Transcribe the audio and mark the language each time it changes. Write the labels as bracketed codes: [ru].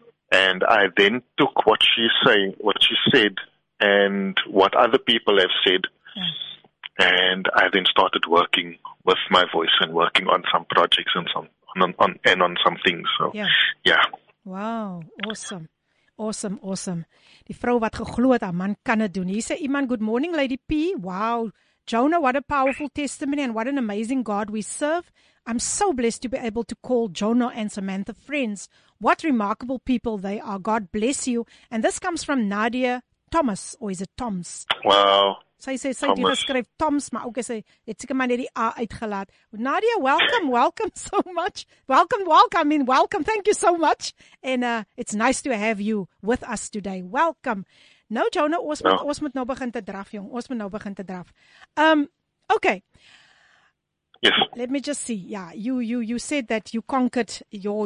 [en] And I then took what she said and what other people have said. And I then started working with my voice and working on some projects and some on some things. So yeah. Wow, awesome. Awesome, awesome. [af] Die vrou wat geglo het haar man kan dit doen. [en] Hier sê iemand, good morning Lady P. Wow. Jonah, what a powerful testimony and what an amazing God we serve. I'm so blessed to be able to call Jonah and Samantha friends. What remarkable people they are. God bless you. And this comes from Nadia Thomas, or is it Toms? Wow. [af] Sy dit skryf Toms, maar ook sy het seker maar net die A uitgelaat. [en] Nadia, welcome, welcome so much. Welcome, welcome, I mean, welcome. Thank you so much. And it's nice to have you with us today. [af] Welcome. Nou, Jonah, ons moet nou begin te draf, jong. Ons moet nou begin te draf. Okay. [en] Yes. Let me just see. Yeah, you said that you conquered your.